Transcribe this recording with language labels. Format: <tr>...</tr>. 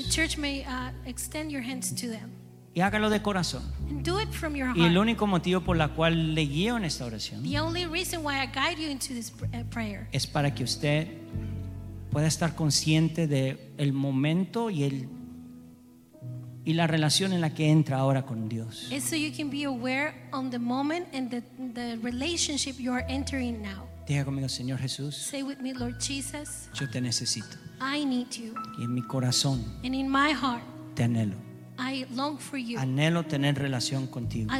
<en>The church may extend your hands to them.</en> <es>Y hágalo de corazón.</es> <en>And do it from your heart.</en> <es>Y el único motivo por la cual le guío en esta oración,</es> <en>the only reason why I guide you into this prayer,</en> <es>es para que usted pueda estar consciente de el momento y el y la relación en la que entra ahora con Dios.</es> <en>It's so you can be aware on the moment and the relationship you are entering now.</en> <es>Diga conmigo, Señor Jesús.</es> <en>Say with me, Lord Jesus.</en> <es>Yo te necesito.</es> <en>I need you.</en> <es>Y en mi corazón.</es> <en>And in my heart.</en> <es>Te anhelo.</es> <en>I long for you.</en> <es>Anhelo tener relación contigo.</es>